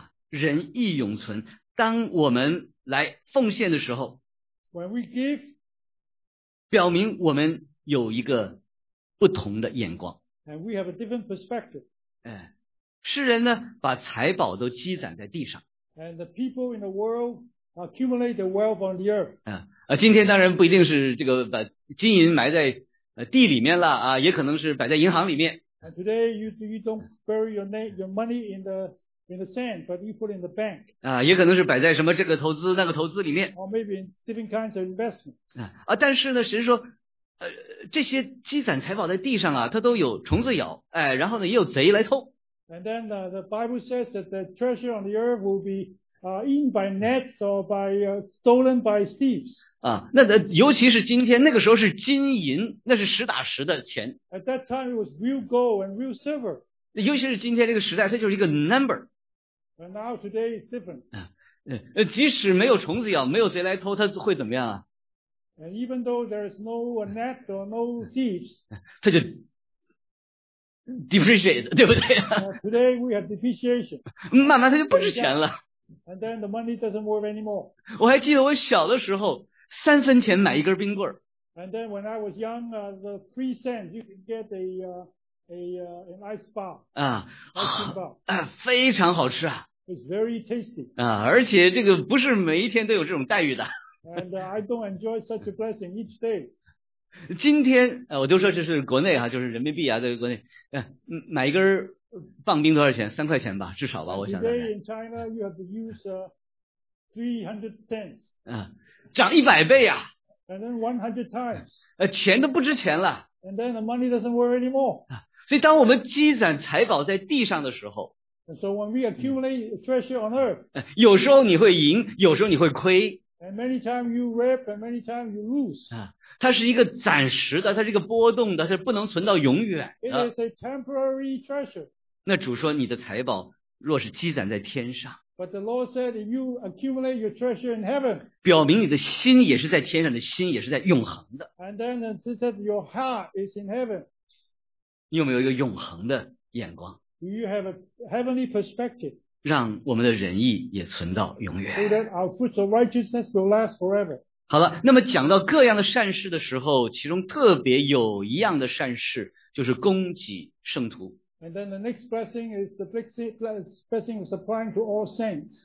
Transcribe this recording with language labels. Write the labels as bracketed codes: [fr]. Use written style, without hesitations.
[zh] 仁义永存，当我们来奉献的时候 [en] When we give, [zh] 表明我们有一个不同的眼光。 [en] And we have a different perspective. [zh] 世人呢把财宝都积攒在地上。 [en] And the people in the world accumulate their wealth on the earth. [zh] 今天当然不一定是这个把金银埋在地里面了啊，也可能是摆在银行里面。 [en] And today you don't bury your money in the sand, but you put it in the bank. [zh] 也可能是摆在什么这个投资那个投资里面。 [en] Or maybe in different kinds of investment. [zh] 但是呢，神说，这些积攒财宝在地上啊，它都有虫子咬，然后呢，也有贼来偷。 [en] And then the Bible says that the treasure on the earth will be eaten by gnats or by stolen by thieves. [zh] 啊，那尤其是今天，那个时候是金银，那是实打实的钱。 [en] At that time it was real gold and real silver. [zh] 尤其是今天这个时代，它就是一个 number. [en] But now today is different. [zh] 即使没有虫子咬，没有贼来偷，它会怎么样啊？ [en] And even though there is no net or no thieves, [zh] 它就 depreciate, 对不对？ [en] Today we have depreciation. [zh] 慢慢它就不值钱了。 [en] And then the money doesn't work anymore. [zh] 我还记得我小的时候，三分钱买一根冰棍。 [en] And then when I was young, the 3 cents you can get an ice bar. [zh] 啊，非常好吃啊。 [en] It's very tasty. [zh] 啊，而且这个不是每一天都有这种待遇的。 [en] And I don't enjoy such a blessing each day. [zh] 今天我就说这是国内啊，就是人民币啊，在国内，买一根棒冰多少钱？三块钱吧，至少吧，我想。 [en] Today in China you have to use 300 cents. [zh] 涨100倍啊。 [en] And then 100 times. [zh] 钱都不值钱了。 [en] And then the money doesn't work anymore. [zh] 所以当我们积攒财宝在地上的时候。 [en] And so when we accumulate treasure on earth. [zh] 有时候你会赢，有时候你会亏。 [en] And many times you rip and many times you lose. [zh] 它是一个暂时的，它是一个波动的，它是不能存到永远的。 [en] It is a temporary treasure. [zh] 那主说你的财宝若是积攒在天上。 [en] But the Lord said if you accumulate your treasure in heaven. [zh] 表明你的心也是在天上的，心也是在永恒的。 [en] And then it says your heart is in heaven. [zh] 你有没有一个永恒的眼光？ [en] Do you have a heavenly perspective? [zh] 让我们的仁义也存到永远。 [en] So that our fruits of righteousness will last forever. [zh] 好了，那么讲到各样的善事的时候，其中特别有一样的善事，就是供给圣徒。 [en] And then the next blessing is the blessing of supplying to all saints.